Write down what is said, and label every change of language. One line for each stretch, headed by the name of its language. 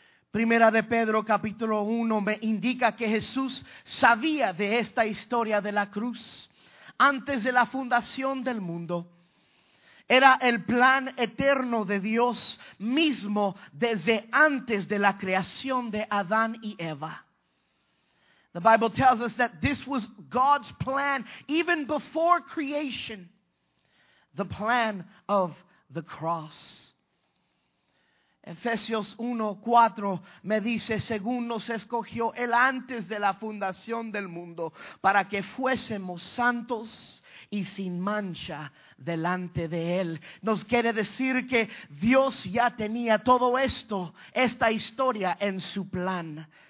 Spanish: Primera de Pedro capítulo 1 me indica que Jesús sabía de esta historia de la cruz antes de la fundación del mundo. Era el plan eterno de Dios mismo desde antes de la creación de Adán y Eva.
English: The Bible tells us that this was God's plan even before creation. The plan of the cross.
Spanish: Efesios 1:4 me dice: según nos escogió Él antes de la fundación del mundo para que fuésemos santos y sin mancha delante de Él. Nos quiere decir que Dios ya tenía todo esto, esta historia en su plan.